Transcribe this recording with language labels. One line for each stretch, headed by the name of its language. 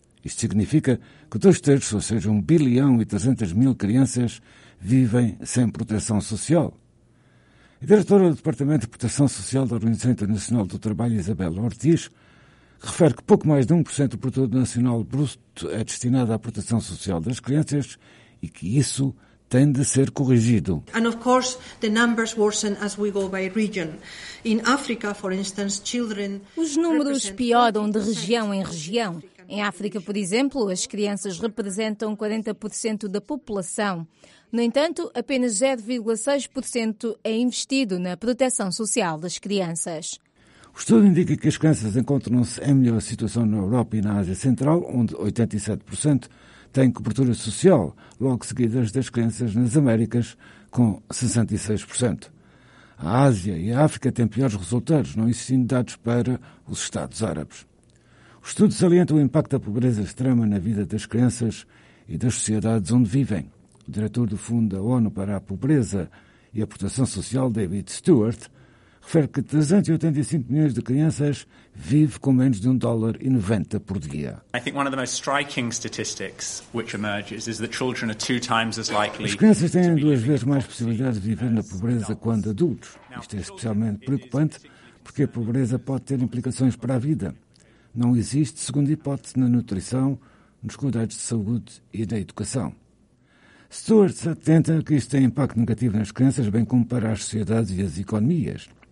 Portuguese: Isto significa que 2/3, ou seja, 1.300.000 crianças, vivem sem proteção social. A diretora do Departamento de Proteção Social da Organização Internacional do Trabalho, Isabel Ortiz, refere que pouco mais de 1% do produto nacional bruto é destinado à proteção social das crianças e que isso tem de ser corrigido.
English: And of course, the numbers worsen as we go by region. In Africa, for instance, children.
Portuguese: Os números pioram de região em região. Em África, por exemplo, as crianças representam 40% da população. No entanto, apenas 0,6% é investido na proteção social das crianças. O estudo indica que as crianças encontram-se em melhor situação na Europa e na Ásia Central, onde 87% têm cobertura social, logo seguidas das crianças nas Américas, com 66%. A Ásia e a África têm piores resultados, não existindo dados para os Estados Árabes. Os estudos salientam o impacto da pobreza extrema na vida das crianças e das sociedades onde vivem. O diretor do Fundo da ONU para a Pobreza e a Proteção Social, David Stewart, refere que 385 milhões de crianças vivem com menos de $1.90 por dia.
English: I think one of the most striking statistics which emerges is that children are 2 times as likely.
Portuguese: As crianças têm 2 vezes mais possibilidades de viver na pobreza quando adultos. Isto é especialmente preocupante porque a pobreza pode ter implicações para a vida. Não existe segunda hipótese na nutrição, nos cuidados de saúde e da educação. Stewart atenta que isto tem impacto negativo nas crianças, bem como para as sociedades e as economias.